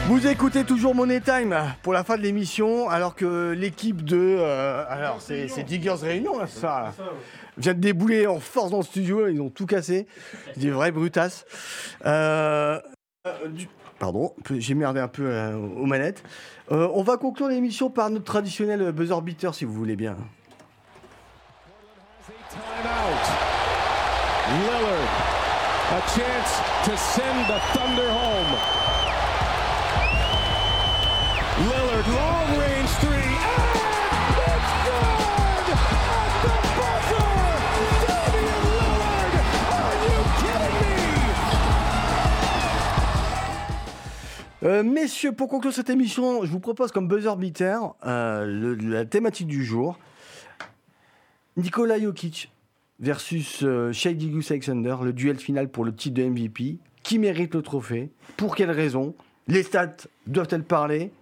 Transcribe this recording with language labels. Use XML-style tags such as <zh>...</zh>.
<fr>Écoutez toujours Money Time pour la fin de l'émission, alors que l'équipe de c'est Diggers Réunion, là, ça vient de débouler en force dans le studio, ils ont tout cassé, des vrais brutasses. Pardon, j'ai merdé un peu aux manettes. On va conclure l'émission par notre traditionnel buzzer beater, si vous voulez bien.</fr> <en>Lillard, a chance to send the Thunder home. Lillard, long range three, and it's good at the buzzer. Damian Lillard, are you kidding me?</en> <fr>Messieurs, pour conclure cette émission, je vous propose comme buzzer beater la thématique du jour. Nikola Jokic versus Shai Gilgeous-Alexander, le duel final pour le titre de MVP. Qui mérite le trophée? Pour quelles raisons? Les stats doivent-elles parler?</fr>